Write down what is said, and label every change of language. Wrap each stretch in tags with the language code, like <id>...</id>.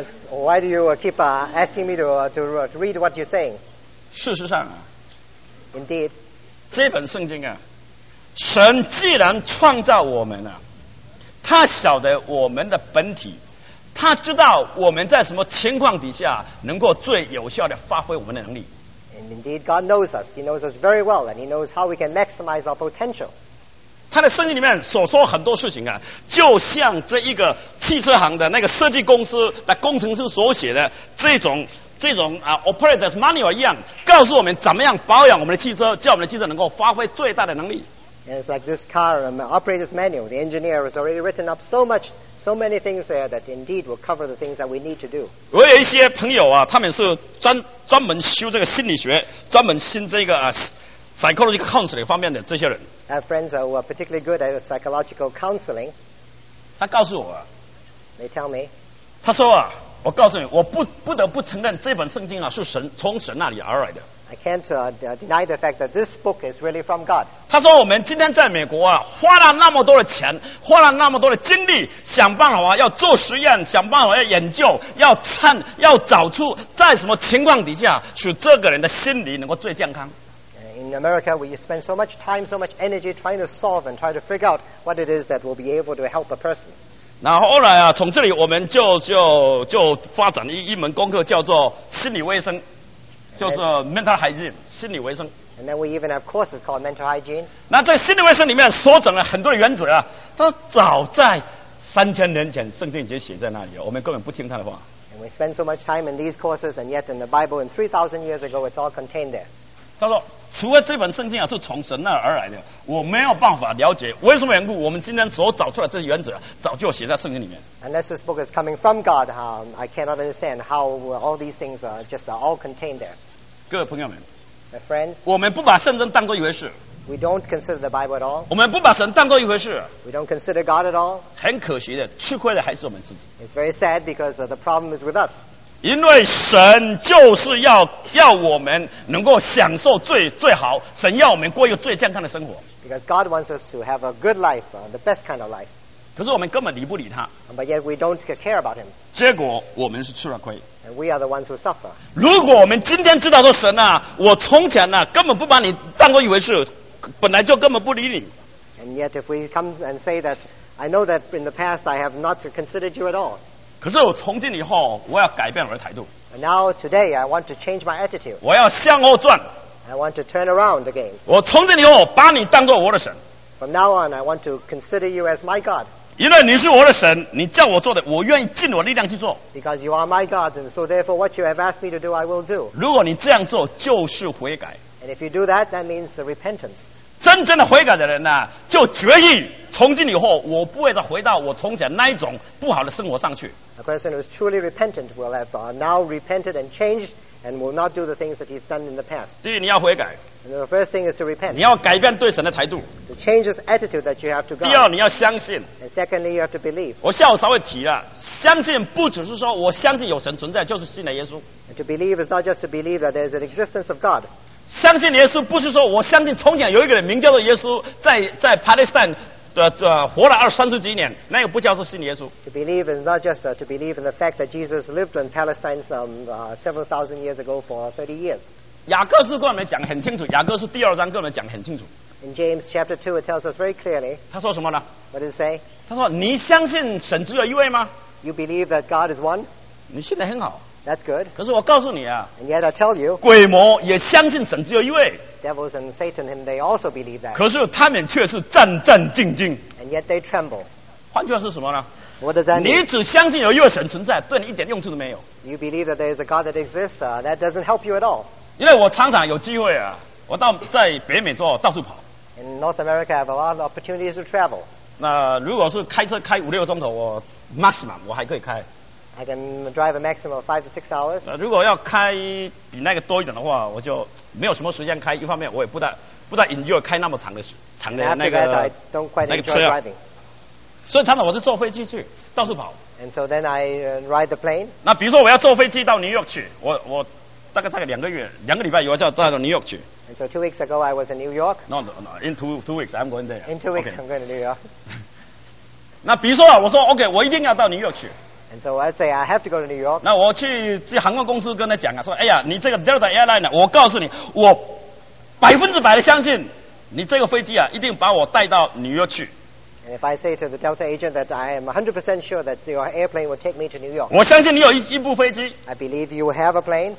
<en>Why do you keep asking me to read what you're saying?</en> <zh>事实上啊，</zh> <en>indeed,</en> <zh>这本圣经啊，神既然创造我们啊，他晓得我们的本体，他知道我们在什么情况底下能够最有效地发挥我们的能力。</zh> <en>And indeed, God knows us. He knows us very well, and He knows how we can maximize our potential.</en> <zh>他的圣经里面所说很多事情啊，就像这一个汽车行的那个设计公司的工程师所写的这种啊</zh> <en>operator's manual</en> <zh>一样，告诉我们怎么样保养我们的汽车，叫我们的汽车能够发挥最大的能力。</zh> <en>And it's like this car, operator's manual. The engineer has already written up so many things there that indeed will cover the things that we need to do.</en> <zh>我有一些朋友啊，他们是专门修这个心理学，专门修这个</zh> <en>psychological counseling</en> <zh>方面的这些人。</zh> <en>I have friends who are particularly good at psychological counseling.</en> <zh>他告诉我啊。</zh> <en>They tell me.</en> <zh>他说啊，我告诉你，我不得不承认这本圣经啊是神从神那里而来的。</zh> <en>I can't deny the fact that this book is really from God.</en> <zh>他说我们今天在美国啊，花了那么多的钱，花了那么多的精力，想办法要做实验，想办法要研究，要找出在什么情况底下使这个人的心理能够最健康。</zh> <en>In America, we spend so much time, so much energy trying to solve and try to figure out what it is that will be able to help a person.</en> <zh>然后后来啊，从这里我们就发展一门功课叫做心理卫生。就是</zh> <en>mental hygiene</en> <zh>心理卫生。</zh> <en>And then we even have courses called mental hygiene.</en> <zh>那在心理卫生里面所讲了很多的原则啊，都早在3000年前圣经已经写在那里了，我们根本不听他的话。</zh> <en>And we spend so much time in these courses, and yet in the Bible, in 3000 years ago, it's all contained there.</en> <zh>他说，除了这本圣经啊是从神那儿而来的，我没有办法了解为什么缘故，我们今天所找出来这些原则，早就写在圣经里面。</zh> <en>Unless this book is coming from God, I cannot understand how all these things are just all contained there.</en> <zh>各位朋友们</zh> <en>My friends,</en> <zh>我们不把圣经当作一回事。</zh> <en>We don't consider the Bible at all.</en> <zh>我们不把神当作一回事。</zh> <en>We don't consider God at all.</en> <zh>很可惜的，吃亏的还是我们自己。</zh> <en>It's very sad because the problem is with us.</en> <zh>因为神就是要我们能够享受最好，神要我们过一个最健康的生活。</zh> <en>Because God wants us to have a good life, the best kind of life.</en> <zh>可是我们根本理不理他。</zh> <en>But yet we don't care about him.</en> <zh>结果我们是吃了亏。</zh> <en>And we are the ones who suffer.</en> <zh>如果我们今天知道说神啊，我从前呢、啊、根本不把你当过一回事，本来就根本不理你。</zh> <en>And yet if we come and say that I know that in the past I have not considered you at all.</en> <zh>可是我从今以后，我要改变我的态度。</zh> <en>Now today, I want to change my attitude.</en> <zh>我要向后转。</zh> <en>I want to turn around again.</en> <zh>我从今以后把你当作我的神。</zh> <en>From now on, I want to consider you as my God.</en> <zh>因为你是我的神，你叫我做的，我愿意尽我力量去做。</zh> <en>Because you are my God, and so therefore, what you have asked me to do, I will do.</en> <zh>如果你这样做，就是悔改。</zh> <en>And if you do that, that means repentance.</en> <zh>真正的悔改的人呢、啊，就决意从今以后，我不会再回到我从前那一种不好的生活上去。</zh> <en>A person who is truly repentant will have now repented and changed and will not do the things that he's done in the past.</en> <zh>第一，你要悔改。</zh> <en>And the first thing is to repent.</en> <zh>你要改变对神的态度。</zh> <en>To change his attitude that you have to God.</en> <zh>第二，你要相信。</zh> <en>And secondly, you have to believe.</en> <zh>我下午稍微提了，相信不只是说我相信有神存在，就是信了耶稣。</zh> <en>And to believe is not just to believe that there is an existence of God.</en> <zh>相信耶稣不是说我相信从前有一个人名叫做耶稣在巴勒斯坦活了20-30几年，那个不叫做信耶稣。</zh> <en>To believe is not just to believe in the fact that Jesus lived in Palestine several thousand years ago for 30 years.</en> <zh>雅各书跟我们讲很清楚，雅各书第二章跟我们讲很清楚。</zh> <en>In James chapter 2 it tells us very clearly.</en> <zh>他说什么呢？</zh> <en>What does it say?</en> <zh>他说你相信神只有一位吗？</zh> <en>You believe that God is one?</en> <zh>你信得很好。</zh> <en>That's good.</en> <zh>可是我告诉你啊，</zh> <en>and yet I tell you,</en> <zh>鬼魔也相信神只有一位。</zh> <en>Devils and Satan, they also believe that.</en> <zh>可是他们却是战战兢兢。</zh> <en>And yet they tremble.</en> <zh>换句话是什么呢？</zh> <en>What does that mean?</en> <zh>你只相信有一位神存在，对你一点用处都没有。</zh> <en>You believe that there is a God that exists, that doesn't help you at all.</en> <zh>因为我常常有机会啊，我到在北美洲到处跑。</zh> <en>In North America, I have a lot of opportunities to travel.</en> <zh>那如果是开车开五六个钟头，我 maximum 我还可以开。</zh> <en>I can drive a maximum of 5 to 6 hours.</en> <zh>那如果要开比那个多一点的话，我就没有什么时间开。一方面我也不大</zh> <en>enjoy</en> <zh>开那么长的那个</zh> <en>that, I don't quite</en> <zh>那个车、啊。所以常常我是坐飞机去到处跑。</zh> <en>And so then I ride the plane.</en> <zh>那比如说我要坐飞机到 New York 去，我大概两个月两个礼拜以后就到 New York 去。</zh> <en>And so 2 weeks ago I was in New York. No, in two weeks I'm going there. In 2 weeks、okay. I'm going to New York.</en> <zh>那比如说、啊、我说 OK， 我一定要到 New York 去。</zh> <en>And so I say I have to go to New York.</en> <zh>那我去航空公司跟他讲啊，说哎呀，你这个 Delta Airline 我告诉你，我100%的相信你这个飞机啊，一定把我带到 New York 去。</zh> <en>And if I say to the Delta agent that I am 100% sure that your airplane will take me to New York.</en> <zh>我相信你有一部飞机。</zh> <en>I believe you have a plane.</en>